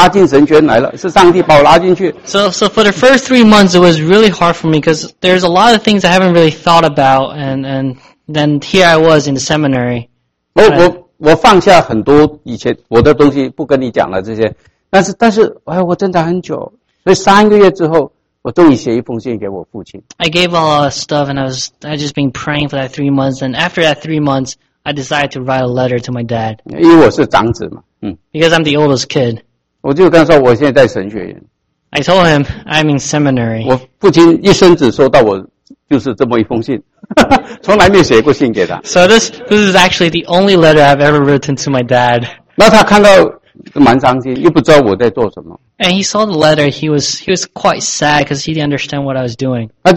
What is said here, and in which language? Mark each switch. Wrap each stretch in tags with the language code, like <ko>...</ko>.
<zh>所以我三个月蛮痛苦的，常常在主的面前哭。然后我很多issue我都还没有想通，已经被硬拉进神圈来了，是上帝把我拉进去。</zh> <en>So for the first 3 months, it was really hard for me because there's a lot of things I haven't really thought about, and then here I was in the seminary.</en> <zh>我放下很多以前我的东西不跟你讲了这些，但是哎，我挣扎很久，所以三个月之后，我终于写一封信给我父亲。</zh> <en>I gave all the stuff, and I've just been praying for that 3 months, and after that 3 months, I decided to write a letter to my dad.</en> <zh>因为我是长子嘛，嗯。</zh> <en>Because I'm the oldest kid.</en> <zh>我就跟他说我现在在神学院。</zh> <en>I told him I'm in seminary.</en> <zh>我父亲一生只收到我。就是这么一封信，从来没写过信给他。</zh> <en>So this is actually the only letter I've ever written to my dad.</en> <zh>那他看到蛮伤心，又不知道我在做什么。</zh> <en>And he saw the letter, he was quite sad because he didn't understand what I was doing.</en>